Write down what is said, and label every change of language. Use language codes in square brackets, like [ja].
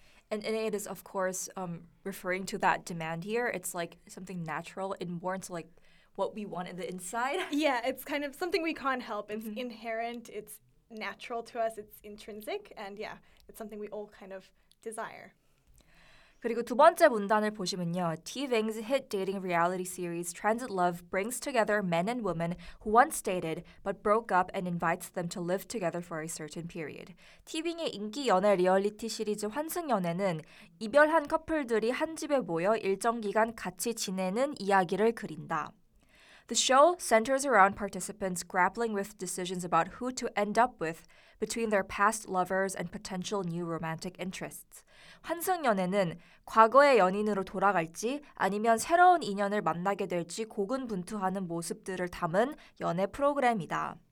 [en] And innate is, of course, referring to that demand here. It's like something natural, inborn, so like what we want in the inside. Yeah, it's kind of something we can't help. It's mm-hmm. inherent. It's natural to us. It's intrinsic. And yeah, it's something we all kind of desire. [ko] 그리고 두 번째 문단을 보시면요. [en] TVING's hit dating reality series Transit Love brings together men and women who once dated but broke up and invites them to live together for a certain period. [ko] TVING의 인기 연애 리얼리티 시리즈 환승연애는 이별한 커플들이 한 집에 모여 일정 기간 같이 지내는 이야기를 그린다. [en] The show centers around participants grappling with decisions about who to end up with between their past lovers and potential new romantic interests. [ko] 환승연애는 과거의 연인으로 돌아갈지 아니면 새로운 인연을 만나게 될지 고군분투하는 모습들을 담은 연애 프로그램이다.